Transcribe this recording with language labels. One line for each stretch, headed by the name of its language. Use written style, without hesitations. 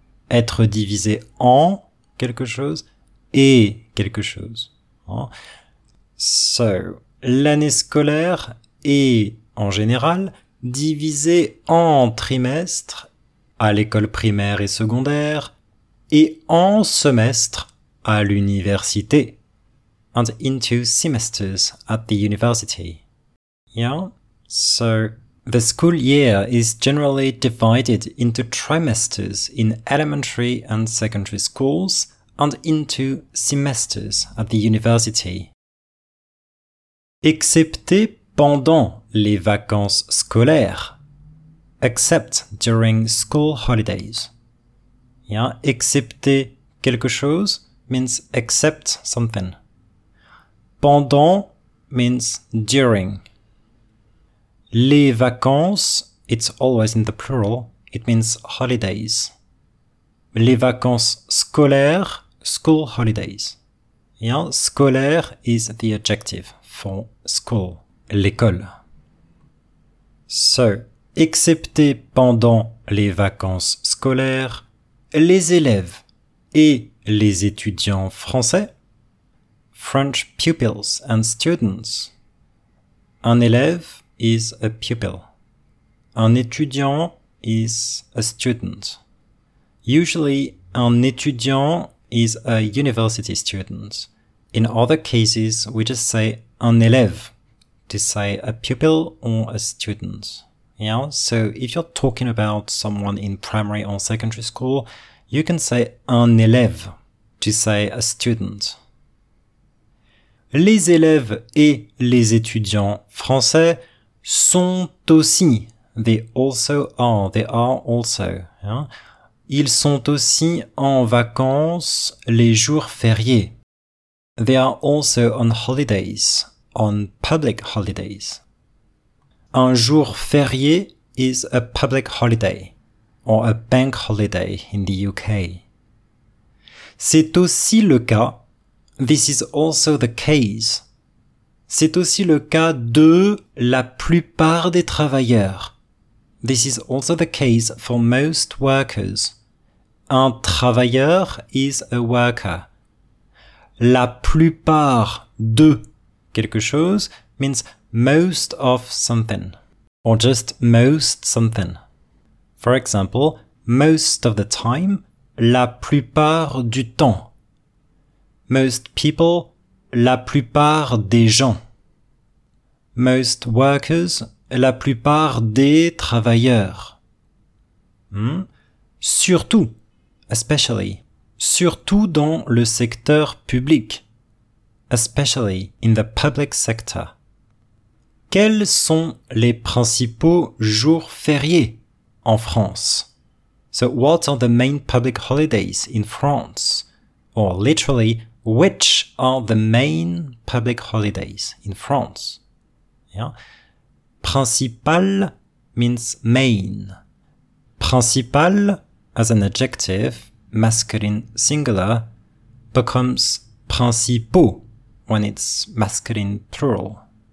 French: Être divisé en quelque chose et quelque chose.
English: So,
French: l'année scolaire est, en général, divisé en trimestre à l'école primaire et secondaire et en semestre à l'université.
English: And into semesters at the university. Yeah? So, the school year is generally divided into trimesters in elementary and secondary schools and into semesters at the university.
French: Excepté pendant les vacances scolaires.
English: Except during school holidays.
French: Yeah? Excepté quelque chose
English: means except something. Pendant means during. Les vacances, it's always in the plural, it means holidays.
French: Les vacances scolaires,
English: school holidays. Yeah? Scolaire is the adjective for school,
French: l'école.
English: So,
French: excepté pendant les vacances scolaires, les élèves et les étudiants français.
English: French pupils and students. Un élève is a pupil. Un étudiant is a student. Usually, un étudiant is a university student. In other cases, we just say un élève to say a pupil or a student. Yeah, so if you're talking about someone in primary or secondary school, you can say un élève to say a student.
French: Les élèves et les étudiants français sont aussi.
English: They also are. They are also. Yeah.
French: Ils sont aussi en vacances les jours fériés.
English: They are also on holidays, on public holidays. Un jour férié is a public holiday, or a bank holiday in the UK.
French: C'est aussi le cas.
English: This is also the case.
French: C'est aussi le cas de la plupart des travailleurs.
English: This is also the case for most workers. Un travailleur is a worker. La plupart de quelque chose means most of something, or just most something. For example, most of the time,
French: la plupart du temps.
English: Most people,
French: la plupart des gens.
English: Most workers,
French: la plupart des travailleurs. Surtout,
English: especially,
French: surtout dans le secteur public.
English: Especially in the public sector.
French: Quels sont les principaux jours fériés en France?
English: So what are the main public holidays in France? Or literally, which are the main public holidays in France? Yeah. Principal means main. Principal, as an adjective, masculine singular, becomes principaux when it's masculine plural.